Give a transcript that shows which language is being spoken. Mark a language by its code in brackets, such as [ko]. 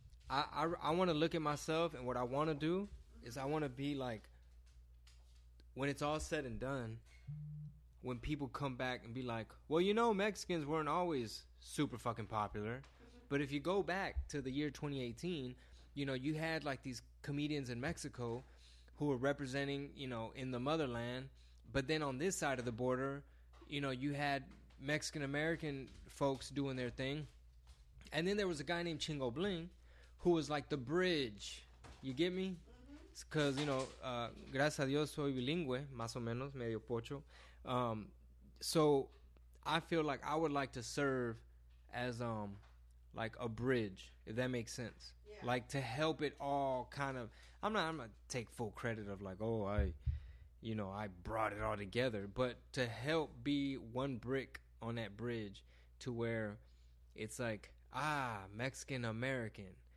[en] I want to look at myself, and what I want to do is I want to be like, when it's all said and done, when people come back and be like, well, you know, Mexicans weren't always super fucking popular, but if you go back to the year 2018, you know, you had like these comedians in Mexico who were representing, you know, in the motherland, but then on this side of the border, you know, you had Mexican-American folks doing their thing. And then there was a guy named Chingo Bling who was like the bridge. You get me? [es] Because, mm-hmm. you know, gracias a Dios soy bilingüe, más o menos, medio pocho. [en] So I feel like I would like to serve as like a bridge, if that makes sense. Yeah. Like to help it all kind of... I'm not take full credit of like, oh, you know, I brought it all together, but to help be one brick on that bridge to where it's like, ah, Mexican American.